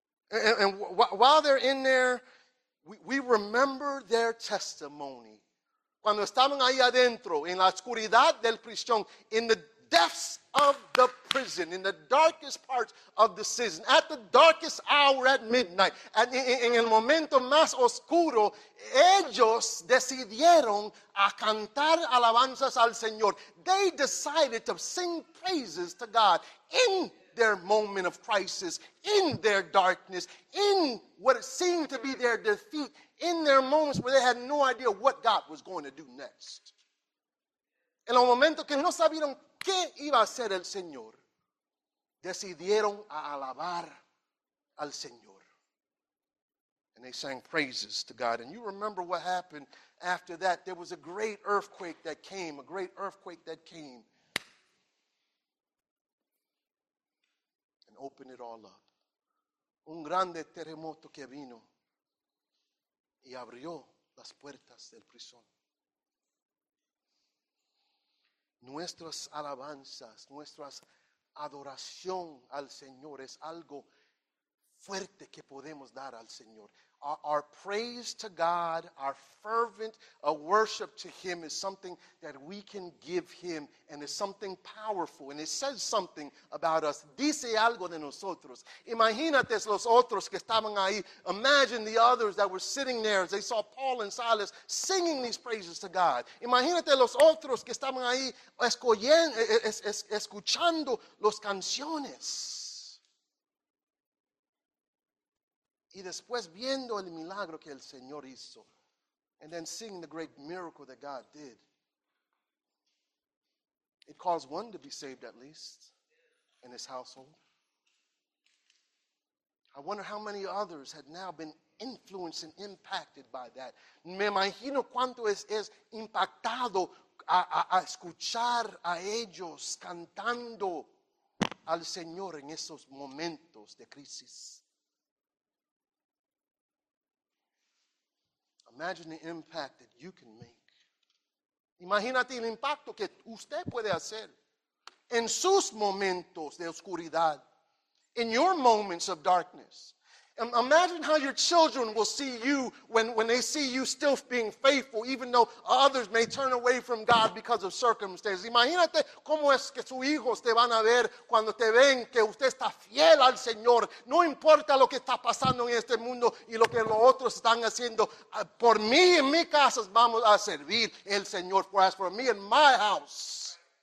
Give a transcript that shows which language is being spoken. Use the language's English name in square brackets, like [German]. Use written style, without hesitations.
[English] And while they're in there, we remember their testimony. [Spanish] Cuando estaban ahí adentro, en la oscuridad del prisión, [English] in the depths of the prison, in the darkest parts of the season, at the darkest hour at midnight, and [Spanish] en el momento más oscuro, ellos decidieron a cantar alabanzas al Señor. [English] They decided to sing praises to God in their moment of crisis, in their darkness, in what seemed to be their defeat, in their moments where they had no idea what God was going to do next. [Spanish] En el momento que no sabieron qué iba a hacer el Señor, decidieron a alabar al Señor. [English] And they sang praises to God. And you remember what happened after that. There was a great earthquake that came, a great earthquake that came and opened it all up. [Spanish] Un grande terremoto que vino y abrió las puertas del prisión. Nuestras alabanzas, nuestras adoración al Señor es algo fuerte que podemos dar al Señor. [English] Our praise to God, our fervent worship to him is something that we can give him, and it's something powerful, and it says something about us. [Spanish] Dice algo de nosotros. Imagínate los otros que estaban ahí. [English] Imagine the others that were sitting there as they saw Paul and Silas singing these praises to God. [Spanish] Imagínate los otros que estaban ahí escuchando las canciones. Y después viendo el milagro que el Señor hizo. [English] And then seeing the great miracle that God did. It caused one to be saved at least. In his household. I wonder how many others had now been influenced and impacted by that. [Spanish] Me imagino cuánto es impactado a escuchar a ellos cantando al Señor en esos momentos de crisis. [English] Imagine the impact that you can make. [Spanish] Imagínate el impacto que usted puede hacer en sus momentos de oscuridad, [English] in your moments of darkness. Imagine how your children will see you when they see you still being faithful, even though others may turn away from God because of circumstances. [Spanish] Imagínate cómo es que sus hijos te van a ver cuando te ven que usted está fiel al Señor. No importa lo que está pasando en este mundo y lo que los otros están haciendo. Por mí y mi casa vamos a servir el Señor. [English] For as for me and my house,